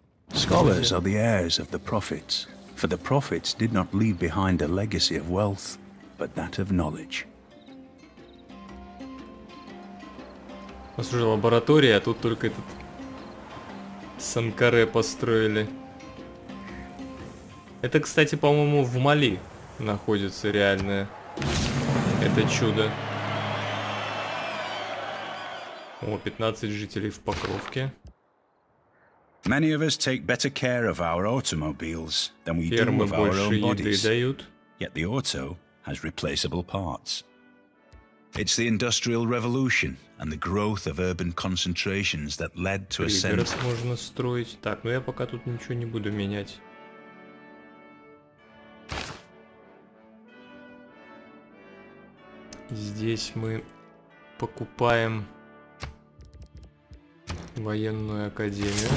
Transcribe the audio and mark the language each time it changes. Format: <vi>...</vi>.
<en>Scholars are the heirs of the prophets, for the prophets did not leave behind a legacy of wealth, but that of knowledge.</en> <ru>У нас уже лаборатория, а тут только этот... Санкаре построили. Это, кстати, по-моему, в Мали находится реальное это чудо. О, 15 жителей в Покровке.</ru> <en>Many of us take better care of our automobiles than we do of our own bodies. Yet the auto has replaceable parts. It's the industrial revolution and the growth of urban concentrations that led to a sense.</en> <ru>Перегород можно строить. Так, ну я пока тут ничего не буду менять. Здесь мы покупаем военную академию.</ru>